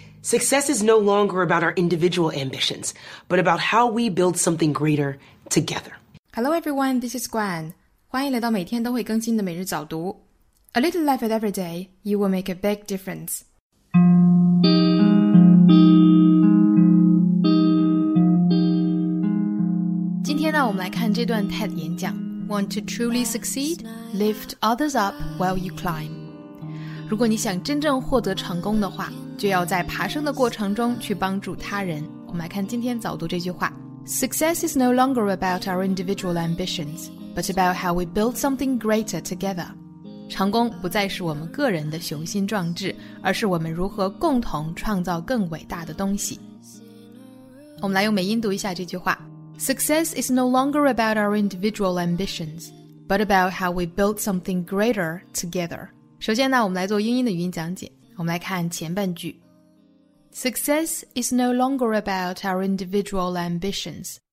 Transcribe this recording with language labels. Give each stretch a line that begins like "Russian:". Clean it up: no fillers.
English: Success is no longer about our individual ambitions, but about how we build something greater together. Hello everyone, this is Gwen.
Chinese: 欢迎来到每天都会更新的每日早读。
English: A little effort every day, you will make a big difference. TED 演讲 Want to truly succeed? Lift others up while you climb.
Chinese: 如果你想真正获得成功的话，就要在爬升的过程中去帮助他人。我们来看今天早读这句话。
English: Success is no longer about our individual ambitions, but about how we build something greater together.
Chinese: 成功不再是我们个人的雄心壮志，而是我们如何共同创造更伟大的东西。我们来用美音读一下这句话。
English: Success is no longer about our individual ambitions, but about how we build something greater together.
Chinese: 首先呢，我们来做英音的语音讲解。我们来看前半句。
English: Success is no longer about our individual ambitions.